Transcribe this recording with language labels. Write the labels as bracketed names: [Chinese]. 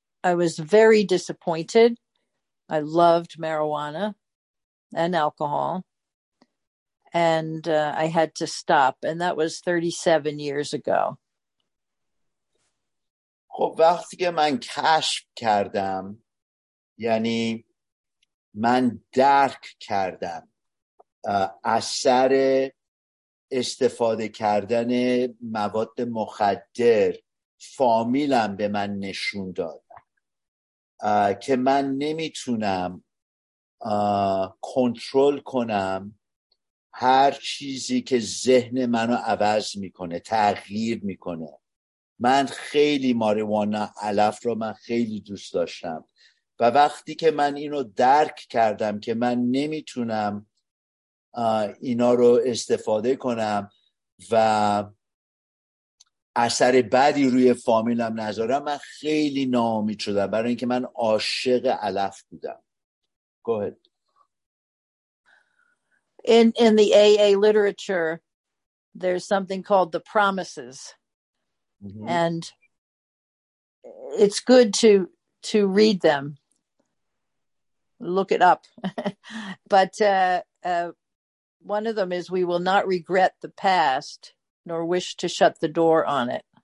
[English] I was very disappointed. I loved marijuana and alcohol, and I had to stop, and that was 37 years ago. [Persian] خب وقتی که من کشف کردم، یعنی من درک کردم اثر استفاده کردن مواد مخدر، فامیلم به من نشون داد که من نمیتونم کنترل کنم هر چیزی که ذهن منو عوض میکنه، تغییر میکنه. من خیلی ماریجوانا، علف رو من خیلی دوست داشتم و وقتی که من اینو درک کردم که من نمیتونم اینا رو استفاده کنم و اثر بدی روی فامیلم نذارم، من خیلی ناامید شدم، برای اینکه من عاشق علف بودم. [English] Go ahead. In the AA literature there's something called the promises. Mm-hmm. And it's good to read them, look it up. But one of them is, we will not regret the past nor wish to shut the door on it.